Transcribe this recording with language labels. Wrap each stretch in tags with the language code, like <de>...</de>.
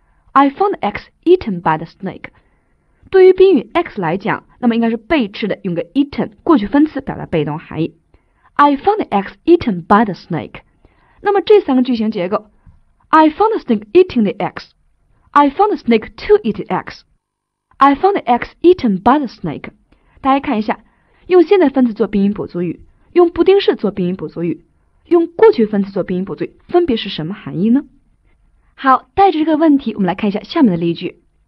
<en>I found the eggs eaten by the snake.</en> <zh>对于宾语 x 来讲，那么应该是被吃的，用个 eaten 过去分词表达被动含义。</zh> <en>I found the eggs eaten by the snake.</en> <zh>那么这三个句型结构</zh> <en>：I found the snake eating the eggs. I found the snake to eat the eggs. I found the eggs eaten by the snake.</en> <zh>大家看一下。用现在分词做宾语补足语，用不定式做宾语补足语，用过去分词做宾语补足语，分别是什么含义呢？好，带着这个问题，我们来看一下下面的例句。</zh>